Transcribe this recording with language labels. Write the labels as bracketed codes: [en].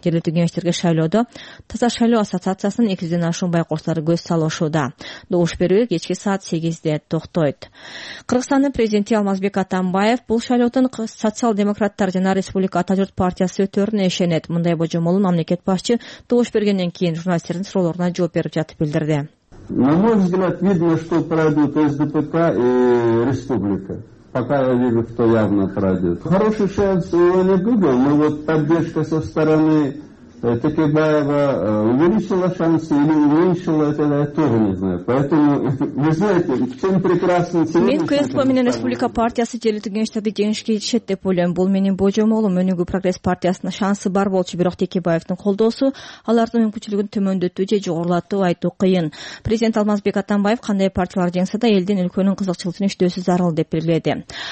[ky] Жергиликтүү кеңештерге шайлоодо Таза шайлоо ассоциациясынын 200 ашуун байкоочулары көз салышууда. Добуш берүү кечки саат 8:00 токтойт. Кыргызстандын президенти Алмазбек Атамбаев бул шайлоодон социал демократтар жана Республика Атажурт партиясы өтөрүнө ишенет. Мындай божомолун мамлекет башчы добуш бергенден кийин журналисттердин суроолоруна жооп берип жатып билдирди. [ru] На мой взгляд, видно, что пройдут СДПК и Республика. Пока я вижу, что явно пройдет. Хороший шанс у Ивана Гугл, но вот поддержка со стороны Текебаева увеличила шансы или уменьшила, это я тоже не знаю. Поэтому, вы знаете, чем прекрасно... [ky] Мен КСП менен Республика партиясы жергиликтүү кеңештерди жеңишке жетишет деп ойлойм. Бул менин божомолум. Өнүгүү прогресс партиясынын шансы бар болчу, бирок Текебаевдин колдоосу алардын мүмкүнчүлүгүн төмөндөтүү же жогорулатуу айтуу кыйын. Президент Алмазбек Атамбаев кандай партиялар жеңсе да элдин өлкөнүн кызыкчылыгын иштөөсү зарыл деп белгиледи.